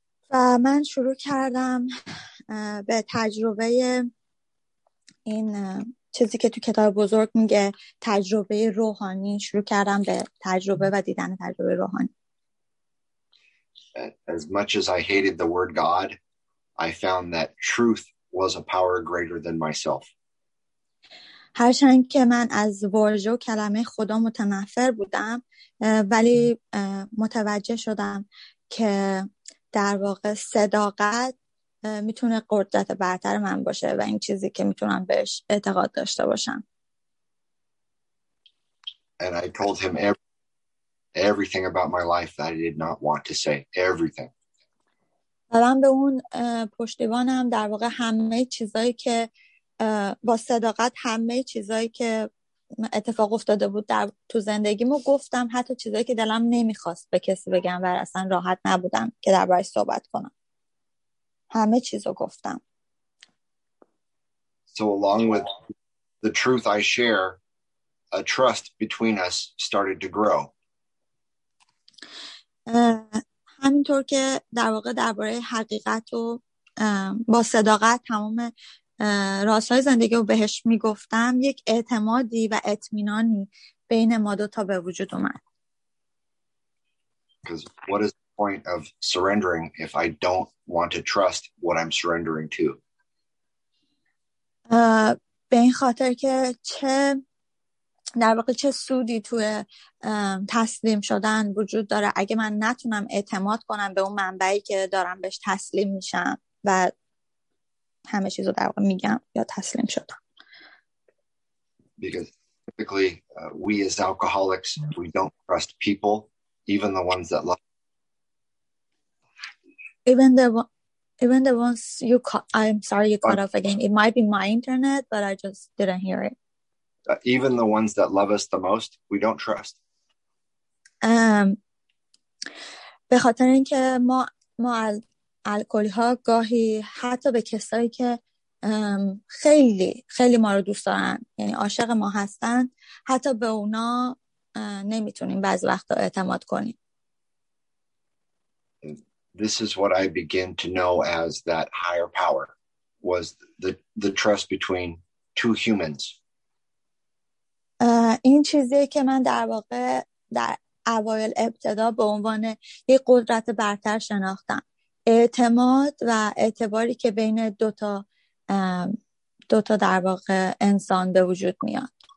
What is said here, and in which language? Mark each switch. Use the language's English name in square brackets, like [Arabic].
[Persian] و من شروع کردم به تجربه این چیزی که تو کتاب بزرگ میگه تجربه روحانی، شروع کردم به تجربه و دیدن تجربه روحانی. [English] As much as I hated the word God, I found that truth was a power greater than myself. [Persian] هرچند که من از واژه و کلمه خدا متنفر بودم ولی متوجه شدم که در واقع صداقت میتونه قدرت برتر من باشه و این چیزی که میتونم بهش اعتقاد داشته باشم. [English] And I told him everything about my life that I did not want to say. Everything. [Persian] من به اون پشتیبانم در واقع همه چیزایی که با صداقت همه چیزایی که اتفاق افتاده بود در تو زندگیمو گفتم، حتی چیزایی که دلم نمیخواست به کسی بگم و اصلا راحت نبودم که درباره صحبت کنم. همه چیزو گفتم. [English] So along with the truth I share, a trust between us started to grow. [Persian] همینطور که در واقع درباره حقیقت و با صداقت تمام راستای زندگی رو بهش میگفتم، یک اعتمادی و اطمینانی بین ما دو تا به وجود اومد. [English] Because what is the point of surrendering if I don't want to trust what I'm surrendering to? [Persian] به این خاطر که چه در واقع چه سودی توی تسلیم شدن وجود داره اگه من نتونم اعتماد کنم به اون منبعی که دارم بهش تسلیم میشم و همه چیز رو در واقع میگم یا تسلیم شدم. [English] Because typically we as alcoholics, we don't trust people, even the ones that love. I'm sorry, you cut off again. It might be my internet, but I just didn't hear it. Even the ones that love us the most, we don't trust. [Persian] به خاطر اینکه ما الکلی ها گاهی حتی به کسایی که خیلی خیلی ما رو دوست دارن، یعنی عاشق ما هستن، حتی به اونا نمیتونیم بعض وقتا اعتماد کنیم. [English] This is what I begin to know as that higher power was the trust between two humans. [Persian] این چیزی که من در واقع در اوایل ابتدا به عنوان یک قدرت برتر شناختم، اعتماد و اعتباری که بین دوتا در واقع انسان به وجود میاد.